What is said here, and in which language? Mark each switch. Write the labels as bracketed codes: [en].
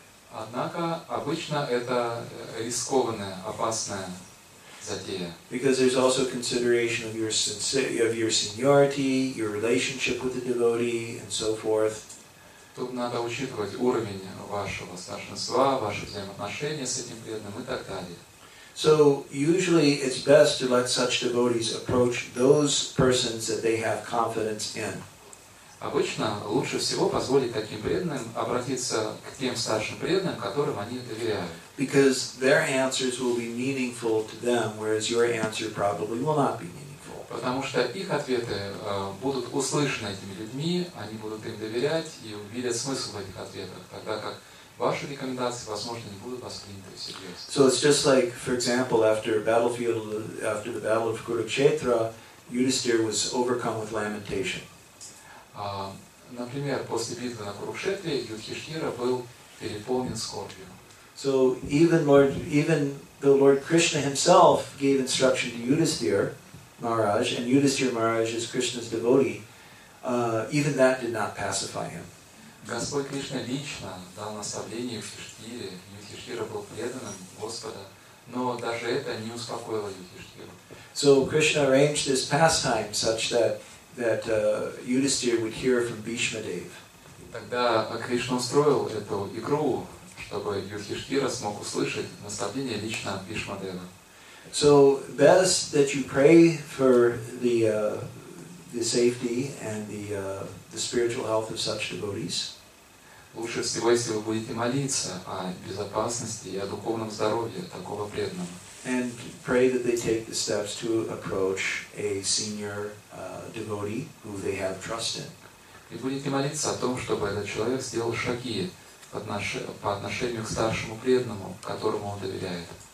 [ru] Однако обычно это рискованная, опасная затея. [en] Because there's also consideration of your seniority, your relationship with the devotee, and so forth. [ru] Тут надо учитывать уровень вашего старшинства, ваши взаимоотношения с этим преданным и так далее. [en] So usually it's best to let such devotees approach those persons that they have confidence in. [ru] Обычно лучше всего позволить таким преданным обратиться к тем старшим преданным, которым они доверяют. [en] Because their answers will be meaningful to them, whereas your answer probably will not be meaningful. [ru] Потому что их ответы будут услышаны этими людьми, они будут им доверять и увидят смысл в этих ответах, тогда как ваши рекомендации, возможно, не будут восприняты всерьез. [en] So it's just like, for example, after the battle of Kurukshetra, Yudhisthira was overcome with lamentation. [ru] Например, после битвы на Курукшетре Юдхиштхира был переполнен скорбью. [en] So even the Lord Krishna himself gave instruction to Yudhisthira Maharaj, and Yudhisthira Maharaj is Krishna's devotee. Even that did not pacify him. [ru] Господь Кришна лично дал наставление Юдхиштхире. Юдхиштхира был преданным Господа, но даже это не успокоило Юдхиштхиру. [en] So Krishna arranged this pastime such that Yudhisthira would hear from Bhishma Dev. [ru] Тогда Кришна устроил эту игру, чтобы Юдхиштхира смог услышать наставление лично от Бхишма Дева. [en] So best that you pray for the safety and the spiritual health of such devotees. [ru] Лучше всего, если вы будете молиться о безопасности и о духовном здоровье такого преданного. [en] And pray that they take the steps to approach a senior devotee who they have trust in. [ru] И будете молиться о том, чтобы этот человек сделал шаги по отношению к старшему преданному, которому он доверяет.